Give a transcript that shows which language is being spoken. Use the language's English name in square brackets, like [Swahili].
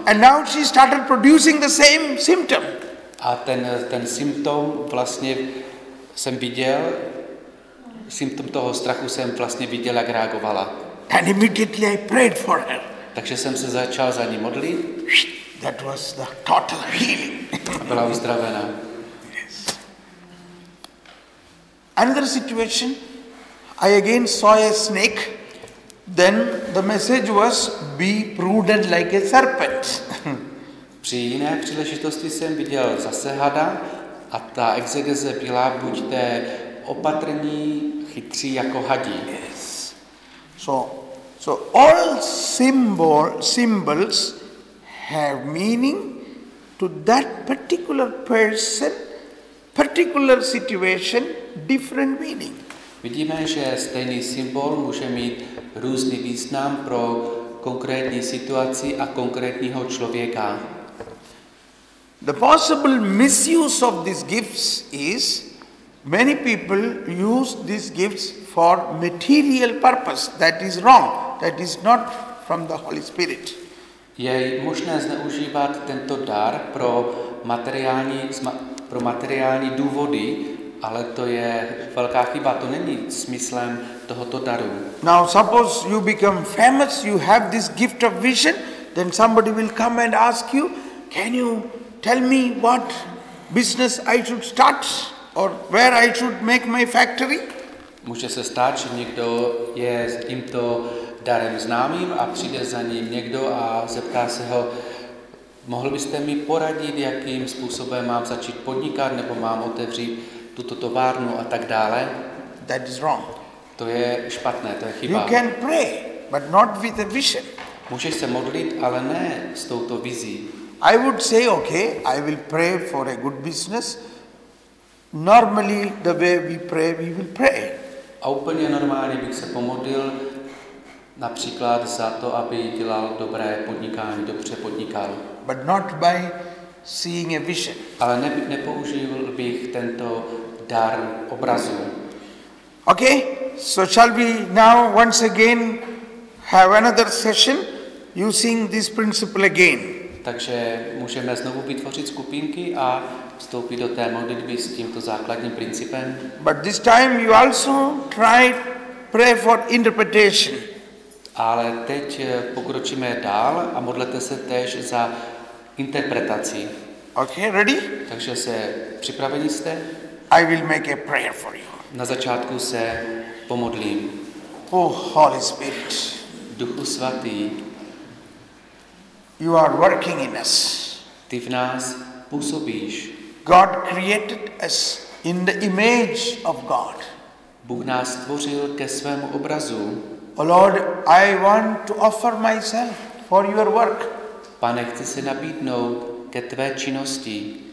[English] And now she started producing the same symptom. [Czech] A ten symptom vlastně jsem viděl, symptom toho strachu jsem vlastně viděl, jak reagovala. [English] And immediately I prayed for her. [Czech] Takže jsem se začal za ní modlit. [English] That was the total healing. [Czech] A byla uzdravená. [English] Yes. Another situation, I again saw a snake. Then the message was, be prudent like a serpent. [Czech] Při jiné příležitosti jsem viděl zase hada a ta exegeze byla, buďte opatrní, chytří jako hadí. [English] Yes. So all symbols have meaning to that particular person, particular situation, different meaning. [Czech] Vidíme, že stejný symbol může mít různý význam pro konkrétní situaci a konkrétního člověka. [English] The possible misuse of these gifts is many people use these gifts for material purpose. That is wrong. That is not from the Holy Spirit. [Czech] Je možné zneužívat tento dar pro materiální důvody, ale to je velká chyba. To není smyslem tohoto daru. [English] Now suppose you become famous, you have this gift of vision, then somebody will come and ask you, can you tell me what business I should start or where I should make my factory? [Czech] Může se stát, že někdo je s tímto darem známým a přijde za ním někdo a zeptá se ho, mohl byste mi poradit, jakým způsobem mám začít podnikat nebo mám otevřít tuto továrnu a tak dále? [English] That is wrong. [Czech] To je špatné, to je chyba. [English] You can pray, but not with a vision. [Czech] Můžeš se modlit, ale ne s touto vizí. [English] I would say, okay, I will pray for a good business. Normally, the way we pray, we will pray. [Czech] A úplně normálně bych se pomodlil například za to, aby dělal dobré podnikání, dobře podnikal. [English] But not by seeing a vision. [Czech] Ale nepoužil bych tento dar obrazu. [English] Okay, so shall we now once again have another session using this principle again? [Czech] Takže můžeme znovu vytvořit skupinky a vstoupit do té modlitby s tímto základním principem. [English] But this time you also try pray for interpretation. [Czech] Ale teď pokročíme dál a modlete se též za interpretaci. [English] Okay, ready? [Czech] Takže se připraveni jste? [English] I will make a prayer for you. [Czech] Na začátku se pomodlím. [English] Oh, Holy Spirit. [Czech] Duchu svatý. [English] You are working in us. [Czech] Ty v nás působíš. [English] God created us in the image of God. [Czech] Bůh nás stvořil ke svému obrazu. [English] Oh Lord, I want to offer myself for your work. [Czech] Pane, chci se nabídnout ke tvé činnosti.